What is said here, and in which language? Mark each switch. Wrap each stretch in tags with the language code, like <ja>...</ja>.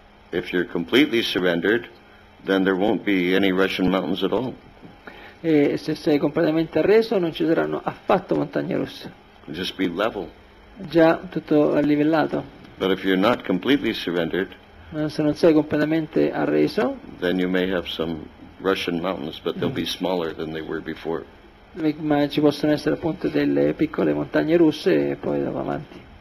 <en>If you're completely surrendered, then there won't be any Russian mountains at all.</en> <it>E se sei completamente arreso, non ci saranno affatto montagne russe.</it> <en>Just be level.</en> <it>Già tutto livellato.</it> <en>But if you're not completely surrendered,</en> <it>ma se non sei completamente arreso,</it> <en>then you may have some Russian mountains, but they'll be smaller than they were before.</en> <it>Ma ci possono essere appunto delle piccole montagne russe e poi andiamo avanti.</it>